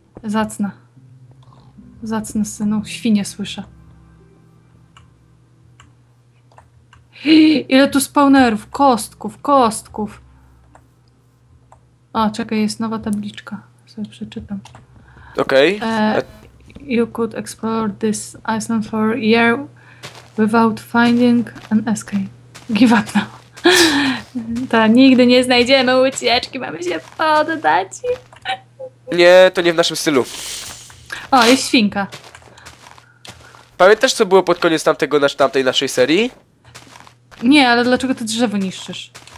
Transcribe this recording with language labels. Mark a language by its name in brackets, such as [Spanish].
[Polish] Zacna. Zacna, synu. Świnie słyszę. Ile tu spawnerów? Kostków, kostków. O, czekaj, jest nowa tabliczka. Sobie przeczytam. Okej. [English] Okay. You could explore this island for a year without finding an escape. Give up now. [Polish] To nigdy nie znajdziemy ucieczki, mamy się poddać. Nie, to nie w naszym stylu. O, jest świnka. Pamiętasz, co było pod koniec tamtego, tamtej naszej serii? Nie, ale dlaczego to drzewo niszczysz?